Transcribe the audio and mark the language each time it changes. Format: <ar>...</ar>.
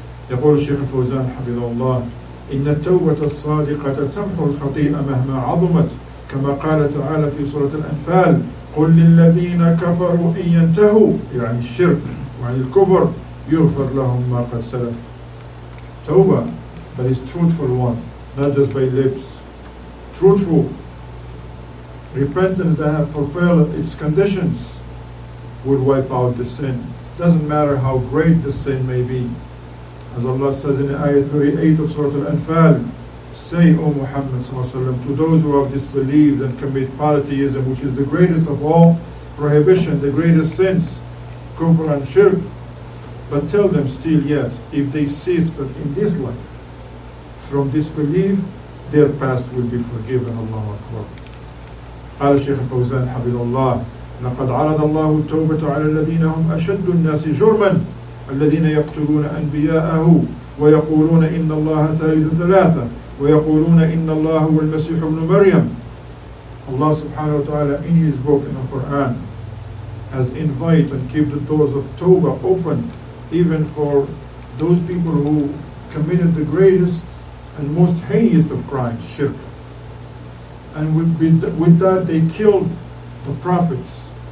<ar>يقول الشيخ الفوزان حفظه الله إن التوبة الصادقة تمحو الخطيئة مهما عظمت كما قال تعالى في سورة الأنفال قل للذين كفروا إن ينتهوا يعني الشرك وعن الكفر يغفر لهم ما قد سلف.</ar> <en>توبة that is truthful one, not just by lips. Truthful repentance that have fulfilled its conditions will wipe out the sin. Doesn't matter how great the sin may be. As Allah says in Ayah 38 of Surah Al-Anfal, say, O Muhammad ﷺ, to those who have disbelieved and commit polytheism, which is the greatest of all prohibition, the greatest sins, kufr and shirk, but tell them still yet, if they cease but in this life from disbelief, their past will be forgiven. Allah Akbar.</en> <ar>قال الشيخ الفوزان حفظه الله لقد عرض الله التوبة على الذين هم أشد الناس جرما الذين يقتلون أنبياءه ويقولون إن الله ثالث ثلاثة ويقولون إن الله هو المسيح ابن مريم.</ar> <en>Allah subhanahu wa ta'ala in His book in the Quran has invited and keep the doors of Tawbah open even for those people who committed the greatest and most heinous of crimes, shirk. And with that they killed the prophets.</en>